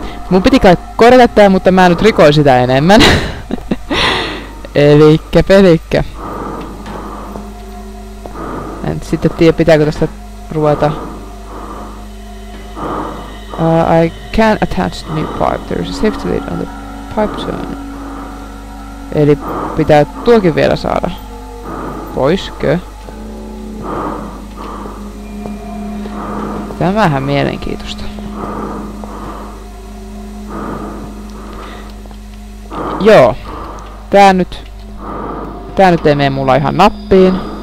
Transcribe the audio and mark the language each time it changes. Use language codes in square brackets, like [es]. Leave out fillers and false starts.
[fi] Mun piti kai korjata tää, mutta mä nyt rikoin sitä enemmän. Elikkä pelikkä. En sitten tiedä, pitääkö tästä ruveta. [en] I can attach the new pipe. There is a safety lead on the pipe zone. [fi] Eli pitää tuokin vielä saada. Poiskö? Tämähän mielenkiintoista. Joo. Tää nyt ei mene mulla ihan nappiin.